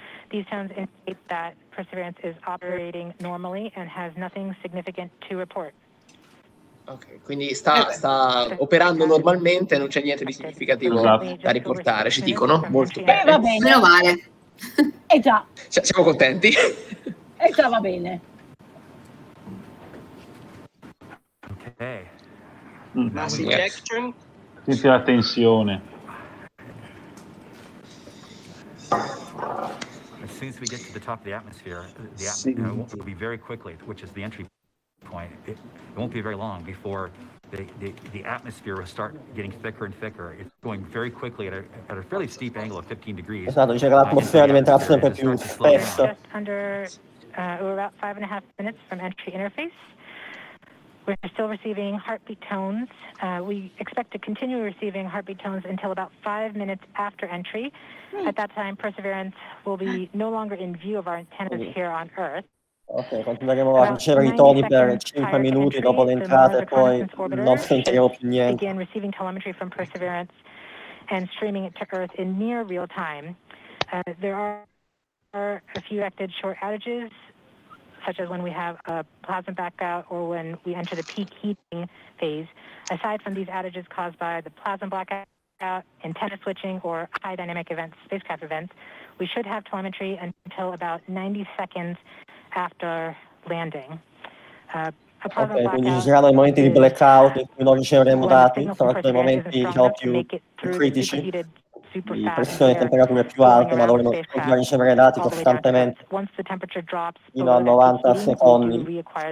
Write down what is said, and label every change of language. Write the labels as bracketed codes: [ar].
[en] These tones indicate that Perseverance is operating normally and has nothing significant to report. [it] Ok, quindi sta operando normalmente, non c'è niente di significativo da riportare, ci dicono. Molto bene. Va bene. Meno male. Eh già. Cioè, siamo contenti. Eh già, va bene. Ok. Mm-hmm. Sì, la tensione. [en] As soon as we get to the top of the atmosphere, the atmosphere will be very quickly, which is the entry point. It won't be very long before the atmosphere will start getting thicker and thicker. It's going very quickly at a fairly steep angle of 15 degrees. [it] Esatto, dice che l'atmosfera diventerà sempre più spessa. [en] We're about 5.5 minutes from entry interface. We're still receiving heartbeat tones. We expect to continue receiving heartbeat tones until about 5 minutes after entry. At that time, Perseverance will be no longer in view of our antennas here on Earth. [it] Ok, continueremo a ricevere i toni per 5 minuti dopo l'entrata e poi non sentiremo più niente. [en] Begin receiving telemetry from Perseverance and streaming it to Earth in near real time. There are a few acted short outages, such as when we have a plasma blackout or when we enter the peak heating phase. Aside from these outages caused by the plasma blackout, antenna switching, or high dynamic events, spacecraft events, we should have telemetry until about 90 seconds after landing. [it] Ok, quindi ci saranno dei momenti di blackout in cui non riceveremo dati, saranno dei momenti diciamo, più critici, di pressione di temperature più alte, ma dovremo continuare a ricevere dati costantemente fino a 90 secondi.